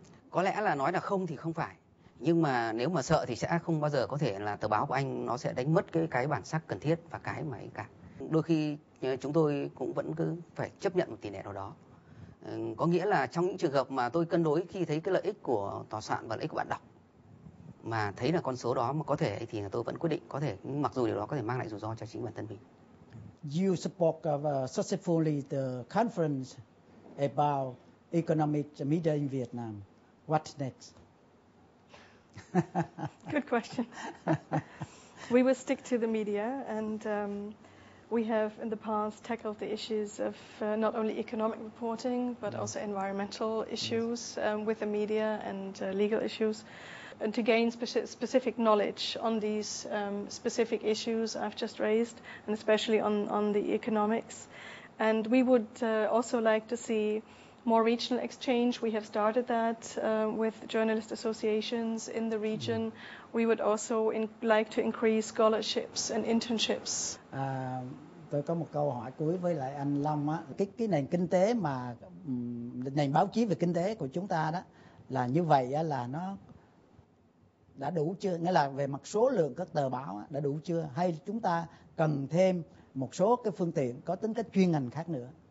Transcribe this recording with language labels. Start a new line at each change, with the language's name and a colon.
Vietnamese: Có lẽ là nói là không thì không phải. Nhưng mà nếu mà sợ thì sẽ không bao giờ có thể là tờ báo của anh nó sẽ đánh mất cái bản sắc cần thiết và cái mà ấy cả. Đôi khi chúng tôi cũng vẫn cứ phải chấp nhận một tỷ lệ nào đó. Có nghĩa là trong những trường hợp mà tôi cân đối khi thấy cái lợi ích của tòa soạn và lợi ích của bạn đọc mà thấy là con số đó mà có thể thì tôi vẫn quyết định, có thể mặc dù điều đó có thể mang lại rủi ro cho chính bản thân mình.
English: You spoke of, successfully the conference about economic media in Vietnam. What next? Good question. We will stick to the media and we have in the past tackled the issues of not only economic reporting but also environmental issues with the media and legal issues. And to gain specific knowledge on these specific issues I've just raised, and especially on the economics. And we would also like to see more regional exchange. We have started that with journalist associations in the region. We would also like to increase scholarships and internships.
Vietnamese: Tôi có một câu hỏi cuối với lại anh Long á. Cái nền kinh tế mà nền báo chí về kinh tế của chúng ta đó là như vậy á, là nó đã đủ chưa? Nghĩa là về mặt số lượng các tờ báo á, đã đủ chưa? Hay chúng ta cần thêm một số cái phương tiện có tính cách chuyên ngành khác nữa?